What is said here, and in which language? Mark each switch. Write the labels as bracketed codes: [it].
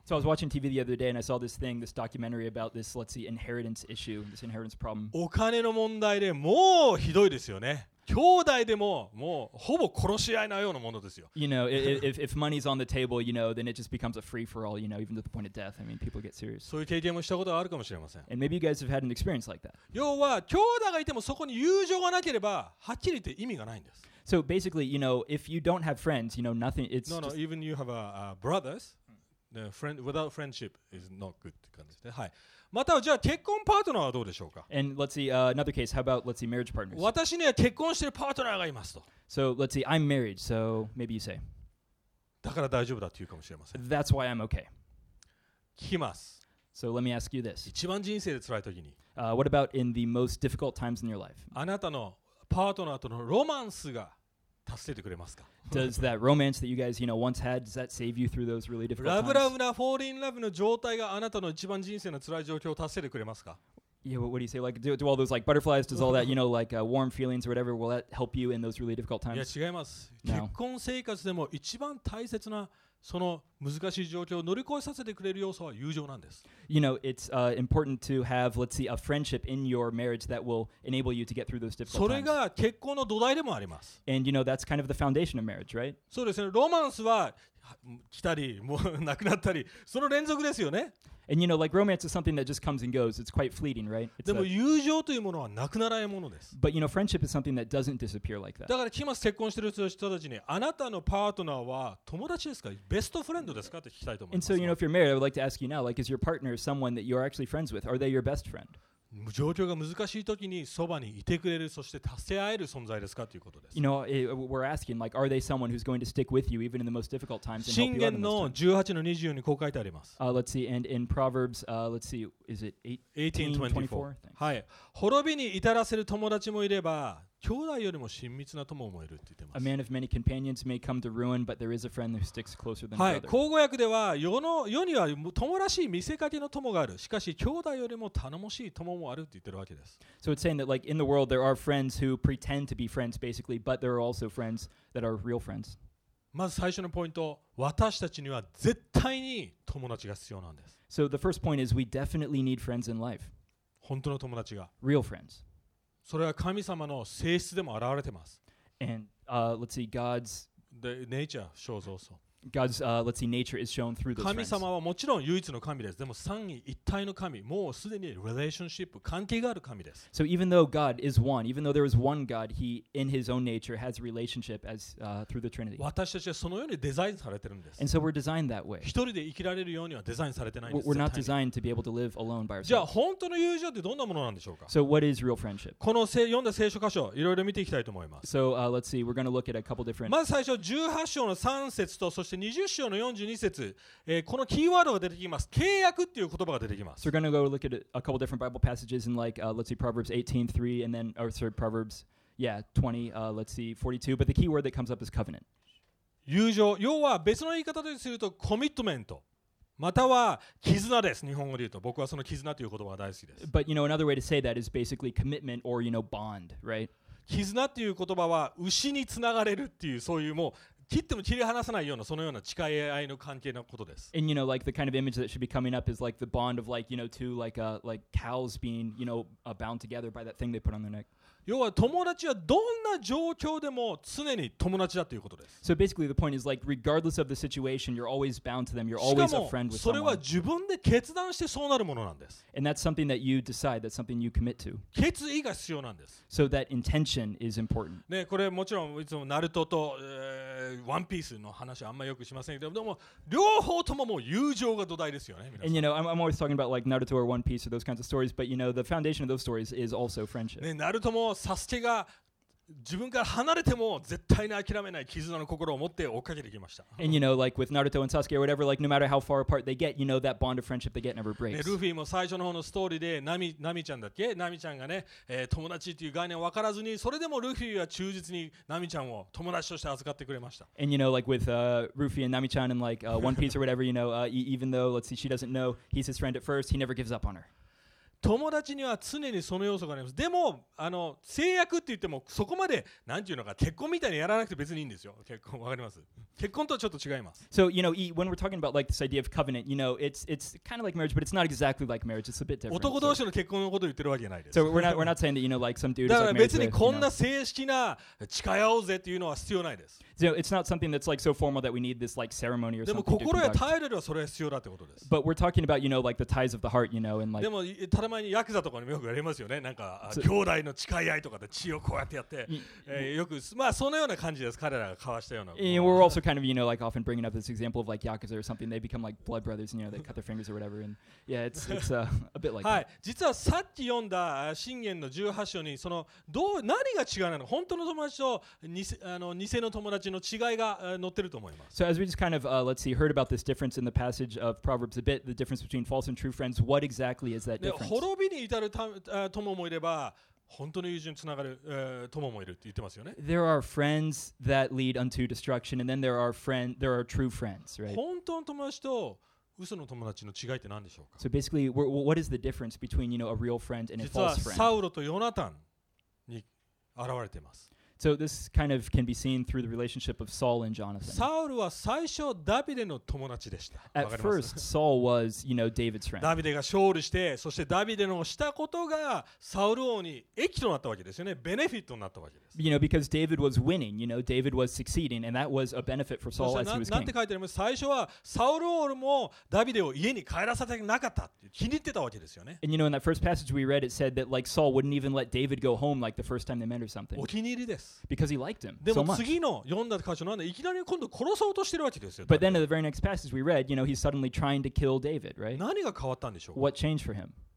[en] So I was watching TV the other day and I saw this thing, this documentary about this, let's see, inheritance issue, this inheritance problem. [ja] お金の問題でもうひどいですよね。兄弟でももうほぼ殺し合いなようなものですよ。 [en] You know, if money's on the table, you know, then it just becomes a free for all, you know, even to the point of death. I mean, people get serious. [ja] そういう経験もしたことはあるかもしれません。 [en] And maybe you guys have had an experience like that. [ja] 要は兄弟がいてもそこに友情がなければはっきり言って意味がないんです。 [en] So basically, you know, if you don't have friends, you know, nothing, it's No, even you have a brothers, the friend, without friendship is not good. [ja] はい。またはじゃあ結婚パートナーはどうでしょうか? [en] And let's see, another case, how about, let's see, marriage partners. [ja] 私には結婚してるパートナーがいますと。 [en] So let's see, I'm married, so maybe you say. [ja] だから大丈夫だというかもしれません。 [en] That's why I'm okay. [ja] 聞きます。 [en] So let me ask you this. [ja] 一番人生で辛い時に。 [en] What about in the most difficult times in your life? [ja] あなたのパートナーとのロマンスが助けてくれますか? [en] Does that romance that you guys, you know, once had, does that save you through those really difficult times? [ja] ラブラブな [en] falling in love [ja] の状態があなたの一番人生の辛い状況を助けてくれますか? [en] Yeah, what do you say? Like, do all those like butterflies, does all that, you know, like warm feelings or whatever, will that help you in those really difficult times? Yeah, [ja] 違います。 [en] No. [ja] 結婚生活でも一番大切なその難しい状況を乗り越えさせてくれる要素は友情なんです。 [en] You know, it's important to have, let's see, a friendship in your marriage that will enable you to get through those difficult times. [ja] それが結婚の土台でもあります。 [en] And you know, that's kind of the foundation of marriage, right? [ja] そうですね。ロマンスは来たり、もうなくなったり、その連続ですよね。 [en] And you know, like romance is something that just comes and goes. It's quite fleeting, right? [ja] でも友情というものはなくならないものです。 [en] But you know, friendship is something that doesn't disappear like that. [ja] だから聞きます、結婚している人たちに、あなたのパートナーは友達ですか、ベストフレンドですかって聞きたいと思います。 [en] And so, you know, if you're married, I would like to ask you now, like, is your partner someone that you're actually friends with? Are they your best friend? [ja] 状況が難しい時にそばにいてくれる、そして助け合える存在ですかということです。 [en] You know, we're asking, like, are they someone who's going to stick with you even in the most difficult times? [ja] 箴言の18の24にこう書いてあります。 [en] Let's see, and in Proverbs, let's see, is it 18:24? [ja] はい。滅びに至らせる友達もいれば、兄弟よりも親密な友もいるって言ってます。 [en] A man of many companions may come to ruin, but there is a friend who sticks closer than another. [ja] はい、口語訳では世には友らしい見せかけの友がある。しかし兄弟よりも頼もしい友もあるって言ってるわけです。 [en] So it's saying that like in the world there are friends who pretend to be friends basically, but there are also friends that are real friends. [ja] まず最初のポイント、私たちには絶対に友達が必要なんです。 [en] So the first point is we definitely need friends in life. [ja] 本当の友達が。 [en] Real friends. [ja] それは神様の性質でも現れてます。 [en] And let's see, God's the nature shows also. God's let's see, nature is shown through those friends. [ja] 神様はもちろん唯一の神です。でも三位一体の神、もうすでに relationship 関係がある神です。 [en] So even though God is one, even though there is one God, He in His own nature has relationship as through the Trinity. [ja] 私たちはそのようにデザインされてるんです。 [en] And so we're designed that way. [ja] 一人で生きられるようにはデザインされてないんです。 [en] We're not designed to be able to live alone by ourselves. [ja] じゃあ本当の友情ってどんなものなんでしょうか。 [en] So what is real friendship? [ja] この読んだ聖書箇所いろいろ見ていきたいと思います。 [en] So let's see, we're going to look at a couple different. [ja] まず最初18章の3節とそして20章の42節、このキーワードが出てきます。契約っていう言葉が出てきます。 [en] So we're gonna go look at a couple different Bible passages in like, let's see, Proverbs 18:3 and then, or sorry, Proverbs, yeah, 20, let's see, 42. But the key word that comes up is covenant. [ja] 友情、要は別の言い方でするとコミットメント、または絆です。日本語で言うと、僕はその絆という言葉が大好きです。 [en] But you know, another way to say that is basically commitment or you know, bond, right? [ja] 絆っていう言葉は牛につながれるっていうそういうもう。切っても切り離さないようなそのような誓い合いの関係のことです。 [en] And you know, like the kind of image that should be coming up is like the bond of like, you know, two like, like cows being, you know, bound together by that thing they put on their neck. [ja] 要は友達はどんな状況でも常に友達だということです。 [en] So basically the point is like, regardless of the situation, you're always bound to them. You're always a friend with someone. [ja] しかもそれは自分で決断してそうなるものなんです。 [en] And that's something that you decide, that's something you commit to. [ja] 決意が必要なんです。 [en] So that intention is important. [ja] ね、これもちろんいつもナルトと、ワンピースの話はあんまりよくしませんけど、でも両方とももう友情が土台ですよね。 [en] And you know, I'm always talking about like Naruto or One Piece or those kinds of stories, but you know, the foundation of those stories is also friendship. [ja] ね、ナルトもサスケが自分から離れても絶対に諦めない絆の心を持って追っかけてきました。 [en] And you know, like with Naruto and Sasuke or whatever, like no matter how far apart they get, you know that bond of friendship they get never breaks. [ja] ね、ルフィも最初の方のストーリーでナミちゃんだっけ？ナミちゃんがね、友達っていう概念を分からずに、それでもルフィは忠実にナミちゃんを友達として預かってくれました。 [en] And you know, like with Ruffy and Nami-chan and like One Piece or whatever, you know, even though let's see, she doesn't know he's his friend at first, he never gives up on her. [ja] 友達には常にその要素があります。でも制約って言ってもそこまでなんていうのか結婚みたいにやらなくて別にいいんですよ。結婚わかります。結婚とはちょっと違います。 [en] So you know, when we're talking about like this idea of covenant, you know, it's kind of like marriage, but it's not exactly like marriage. It's a bit different. [ja] 男同士の結婚のことを言ってるわけじゃないです。 [en] So we're not saying that you know like some dude is like married with, [ja] だから別にこんな正式な誓い合おうぜっていうのは必要ないです。 [en] So it's not something that's like so formal that we need this like ceremony or something. [ja] でも心や態度ではそれは必要だってことです。 [en] But we're talking about you know like the ties of the heart, you know, and like. [ja] でもただ前にヤクザとかにもよくやりますよね。なんか兄弟の誓い合いとかで血をこうやってやって、よくまあそのような感じです。彼らが交わしたような。 [en] And we're also kind of you know like often bringing up this example of like Yakuza or something. They become like blood brothers and you know they cut their fingers or whatever. And yeah, it's a bit like. [ja] はい、実はさっき読んだ箴言の18章にそのどう何が違うなの？本当の友達と偽の友達の違いが載ってると思います。 [en] So as we just kind of let's see, heard about this difference in the passage of Proverbs a bit, the difference between false and true friends. What exactly is that difference? [ja] 滅びに至る友もいれば本当の友人につながる友もいるって言ってますよね。 [en] There are friends that lead unto destruction, and then there are true friends, right? [ja] 本当の友達と嘘の友達の違いって何でしょうか? [en] So basically, what is the difference between, you know, a real friend and a false friend? [ja] 実はサウロとヨナタンに現れています。 [en] So this kind of can be seen through the relationship of Saul and Jonathan. [ja] サウルは最初ダビデの友達でした。 [en] At first, Saul was, you know, David's friend. [ja] ダビデが勝利して、そしてダビデのしたことがサウル王に益となったわけですよね。ベネフィットになったわけです。 [en] You know, because David was winning, you know, David was succeeding, and that was a benefit for Saul as he was king. [ja] なんて書いてあります。最初はサウル王もダビデを家に帰らせたくなかったって気に入ってたわけですよね。 [en] And you know, in that first passage we read, it said that like Saul wouldn't even let David go home like the first time they met or something. [ja] お気に入りです。 [en] Because he liked him so much. But then in the very next passage we read, you know, he's suddenly trying to kill David, right? What changed for him?